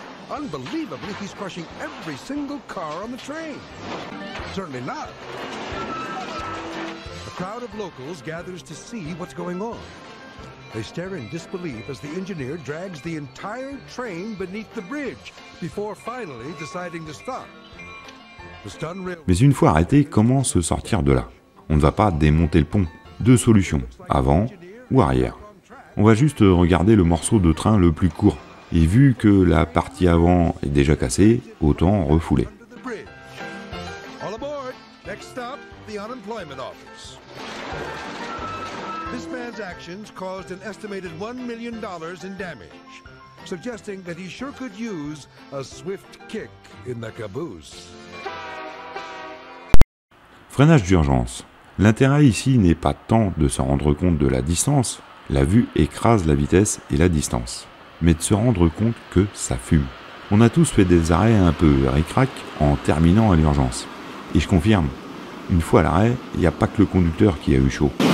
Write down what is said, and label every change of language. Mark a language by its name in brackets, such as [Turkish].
[English] Unbelievably, he's crushing every single car on the train. Certainly not. A crowd of locals gathers to see what's going on. They stare in disbelief as the engineer drags the entire train beneath the bridge before finally deciding to stop. [French] Mais une fois arrêté, comment se sortir de là? On ne va pas démonter le pont. Deux solutions, avant ou arrière. On va juste regarder le morceau de train le plus court. Et vu que la partie avant est déjà cassée, autant refouler. [English] All aboard. Next stop, the unemployment office. This man's actions caused an estimated $1 million in damage, suggesting that he sure could use a swift kick in the caboose. [French] Freinage d'urgence. L'intérêt ici n'est pas tant de se rendre compte de la distance, la vue écrase la vitesse et la distance, mais de se rendre compte que ça fume. On a tous fait des arrêts un peu ric-rac en terminant à l'urgence. Et je confirme, une fois à l'arrêt, il n'y a pas que le conducteur qui a eu chaud.